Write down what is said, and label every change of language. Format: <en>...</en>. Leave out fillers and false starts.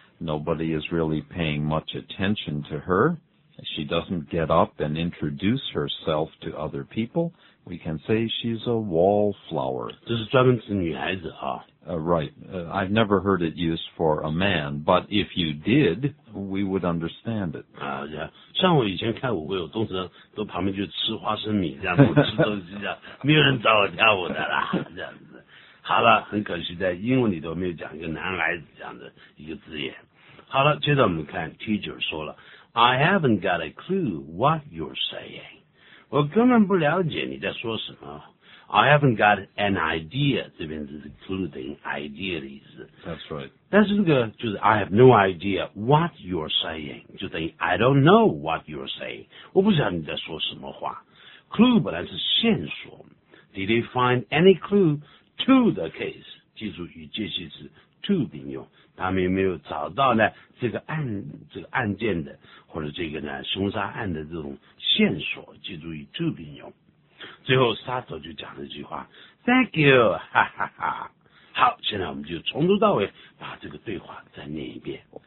<en>Nobody is really paying much attention to her. She doesn't get up and introduce herself to other people. We can say she's a wallflower.</en> <zh>这是专门指女孩子啊。</zh> <en>Right. I've never heard it used for a man, but if you did, we would understand it. Yeah.</en> <zh>像我以前开舞会，我通常都旁边就吃花生米这样，不吃东西这样，没有人找我跳舞的啦，这样子。好了，很可惜在英文里头没有讲一个男孩子这样的一个字眼。</zh> <en>好了，接着我们看 teacher 说了，I haven't got a clue what you're saying.</en> <zh>我根本不了解你在说什么。</zh> <en>I haven't got an idea. 这边是 including idea 的意思。 That's right. 但是这个就是 I have no idea what you're saying. 就等于 I don't know what you're saying.</en> <zh>我不知道你在说什么话。 Clue 本来是线索。</zh> <en>Did you find any clue to the case?</en> <zh>记住与介系词 to 并用。他们有没有找到呢这个案件的或者这个呢凶杀案的这种线索，记住与 to 并用。最后沙头就讲了一句话 Thank you, 哈哈哈。好，现在我们就从头到尾把这个对话再念一遍。</zh>